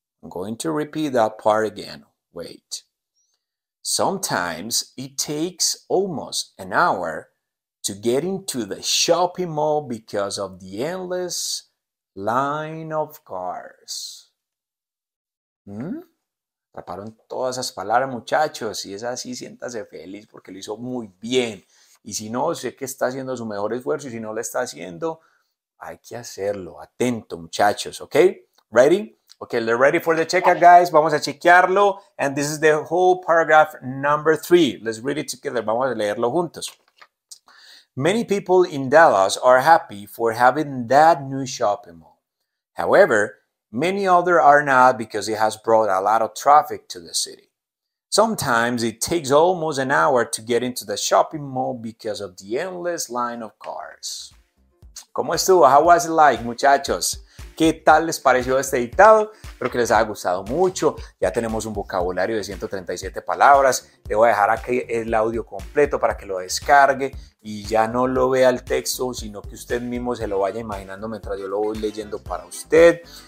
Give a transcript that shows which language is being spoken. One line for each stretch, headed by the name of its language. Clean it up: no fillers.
English: I'm going to repeat that part again. Wait. Sometimes, it takes almost an hour to get into the shopping mall because of the endless line of cars.
Spanish: Atraparon todas esas palabras, muchachos. Si es así, siéntase feliz porque lo hizo muy bien. Y si no, sé que está haciendo su mejor esfuerzo. Y si no lo está haciendo, hay que hacerlo. Atento, muchachos. ¿Ok? ¿Ready?
English: Ok, they're ready for the checkout, guys.
Spanish: Vamos a chequearlo.
English: And this is the whole paragraph number 3. Let's read it together.
Spanish: Vamos a leerlo juntos.
English: Many people in Dallas are happy for having that new shopping mall. However, many others are not because it has brought a lot of traffic to the city. Sometimes it takes almost an hour to get into the shopping mall because of the endless line of cars.
Spanish: ¿Cómo estuvo?
English: How was it like, muchachos?
Spanish: ¿Qué tal les pareció este dictado? Espero que les haya gustado mucho. Ya tenemos un vocabulario de 137 palabras. Le voy a dejar aquí el audio completo para que lo descargue y ya no lo vea el texto, sino que usted mismo se lo vaya imaginando mientras yo lo voy leyendo para usted.